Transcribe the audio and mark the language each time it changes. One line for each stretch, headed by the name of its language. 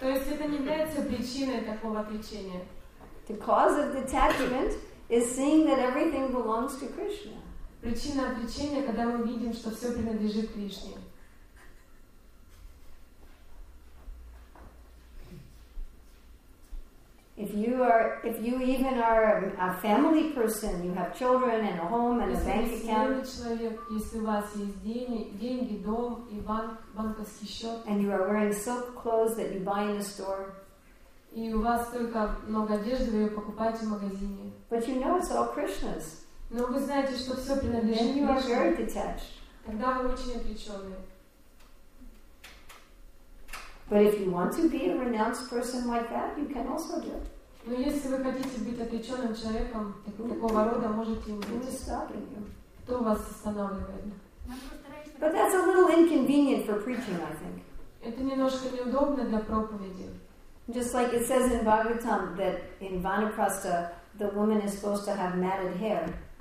Russian: То есть это не является причиной такого отречения.
English: The cause of detachment is seeing that everything belongs to Krishna.
Russian: Причина отречения, когда мы видим, что все принадлежит Кришне.
English: If you even are a family person, you have children and a home and a bank account, and you are wearing silk clothes that you buy in a store,
Russian: и у вас столько много одежды, вы ее покупаете в магазине,
English: but you know it's all Krishna's.
Russian: Но вы знаете, что все принадлежит
English: Krishna. You are very detached.
Russian: Тогда вы очень отвлеченные.
English: But if you want to be a renounced person like that, you can also do it.
Russian: Но если вы хотите быть отреченным человеком такого рода, можете быть.
English: Stopping you.
Russian: Кто вас останавливает?
English: But that's a little inconvenient for preaching, I think.
Russian: Это немножко неудобно для проповеди.
English: Just like it says in Bhagavatam that in Vanaprastha the woman is supposed to have matted hair.